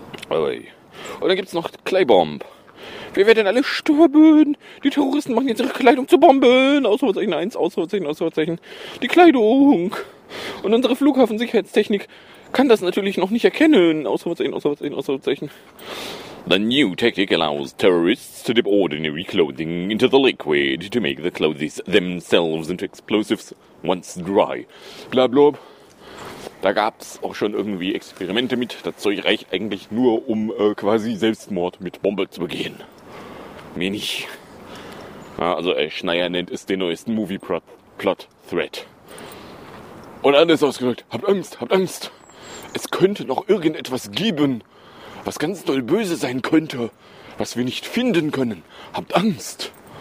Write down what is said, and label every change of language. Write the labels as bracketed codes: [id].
[de] Ui. Und dann gibt's noch Kleibomb. Wir werden alle sterben. Die Terroristen machen jetzt ihre Kleidung zu Bomben. Ausrufezeichen 1, Ausrufezeichen, Ausrufezeichen. Die Kleidung. Und unsere Flughafensicherheitstechnik kann das natürlich noch nicht erkennen. Ausrufezeichen, Ausrufezeichen, Ausrufezeichen. [en] The new tactic allows terrorists to dip ordinary clothing into the liquid to make the clothes themselves into explosives once dry. Blablab. [de] Da gab's auch schon irgendwie Experimente mit. Das Zeug reicht eigentlich nur, um quasi Selbstmord mit Bombe zu begehen. Mehr nicht. Ja, also Schneier nennt es den neuesten Movie-Plot-Thread. Und anders ausgedrückt, habt Angst, habt Angst. Es könnte noch irgendetwas geben, was ganz doll böse sein könnte, was wir nicht finden können. Habt Angst.